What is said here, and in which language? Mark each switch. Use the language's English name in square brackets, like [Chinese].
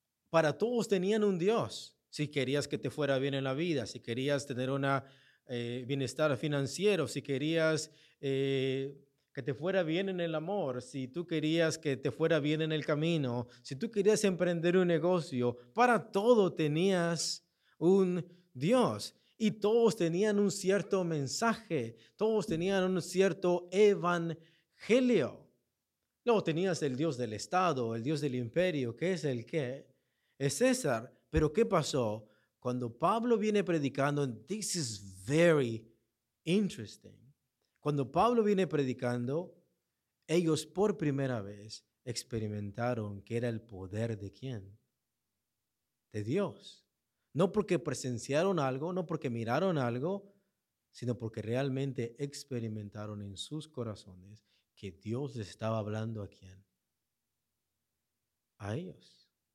[Spanish] Para todos tenían un Dios. Si querías que te fuera bien en la vida, si querías tener un bienestar financiero, si querías que te fuera bien en el amor, si tú querías que te fuera bien en el camino, si tú querías emprender un negocio, para todo tenías un Dios. Y todos tenían un cierto mensaje, todos tenían un cierto evangelio. Luego tenías el Dios del Estado, el Dios del Imperio, ¿qué es el qué? Es César. Pero ¿qué pasó? Cuando Pablo viene predicando, [English] this is very interesting. [Spanish] Cuando Pablo viene predicando, ellos por primera vez experimentaron que era el poder de ¿quién? De Dios. No porque presenciaron algo, no porque miraron algo, sino porque realmente experimentaron en sus corazones que Dios les estaba hablando ¿a quién? A ellos.